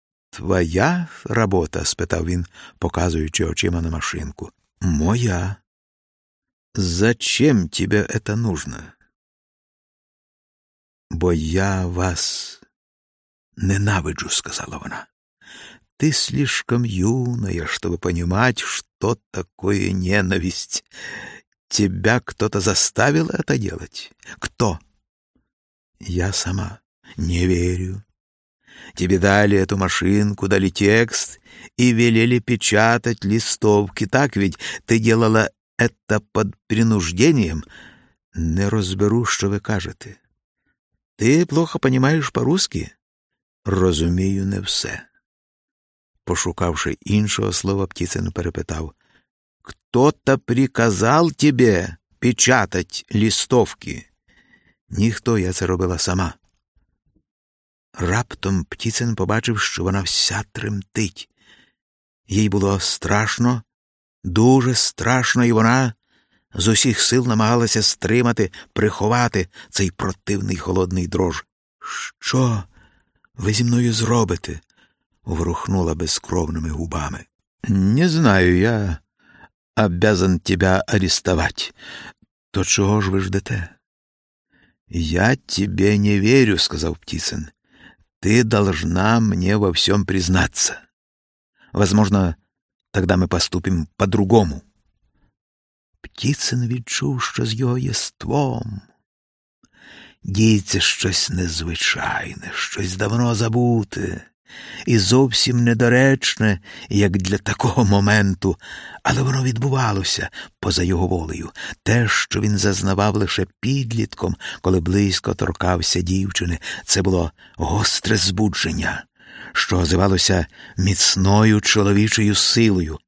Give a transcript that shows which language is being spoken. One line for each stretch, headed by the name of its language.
Ukrainian: «Твоя робота?» – спитав він, показуючи очима на машинку. «Моя».
Russian: «Зачем тебе это нужно?»
Ukrainian: «Бо я вас ненавиджу», – сказала вона.
Russian: «Ти слишком юная, чтобы понимать, что такое ненависть. Тебя кто-то заставил это делать? Кто?» «Я сама. Не верю. Тебе дали эту машинку, дали текст и велели печатать листовки. Так ведь ты делала это под принуждением? Не разберу, что вы кажете. Ты плохо понимаешь по-русски?»
Ukrainian: «Розумію не все». Пошукавши іншого слова, Птіцин перепитав: «Хто-то приказав тебе печатать листовки?» «Ніхто, я це робила сама». Раптом Птіцин побачив, що вона вся тремтить. Їй було страшно, дуже страшно, і вона з усіх сил намагалася стримати, приховати цей противний холодний дрож. «Що ви зі мною зробите?» – врухнула безкровними губами.
Russian: «Не знаю, я обязан тебя арестовати.
Ukrainian: То чого ж ви ждете?»
Russian: «Я тебе не верю»,
Ukrainian: – сказав Птіцин. «Ти должна мені во всьому признатися.
Russian: Возможно, тогда ми поступимо по-другому».
Ukrainian: Птіцин відчув, що з його єством діється щось незвичайне, щось давно забуте і зовсім недоречне, як для такого моменту. Але воно відбувалося поза його волею. Те, що він зазнавав лише підлітком, коли близько торкався дівчини, це було гостре збудження, що озивалося міцною чоловічою силою.